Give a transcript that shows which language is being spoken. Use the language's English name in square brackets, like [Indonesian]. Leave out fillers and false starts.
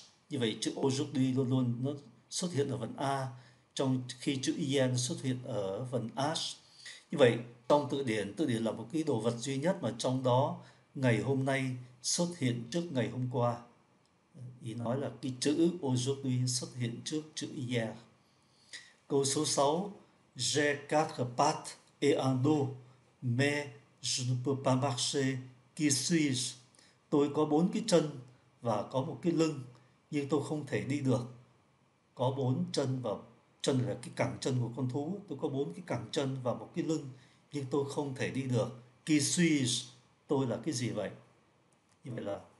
[Vietnamese] Như vậy chữ aujourd'hui luôn luôn nó xuất hiện ở vần A, trong khi chữ hier nó xuất hiện ở vần H. Như vậy trong tự điển là một cái đồ vật duy nhất mà trong đó ngày hôm nay xuất hiện trước ngày hôm qua. Ý nói là cái chữ aujourd'hui xuất hiện trước chữ hier. Câu số 6. [French] J'ai quatre pattes et un dos, mais je ne peux pas marcher. Qui suis-je? [Vietnamese] Tôi có bốn cái chân và có một cái lưng, nhưng tôi không thể đi được. Có bốn chân và chân là cái cẳng chân của con thú. Tôi có bốn cái cẳng chân và một cái lưng, nhưng tôi không thể đi được. [French] Qui suis-je? [Vietnamese] Tôi là cái gì vậy? Như vậy là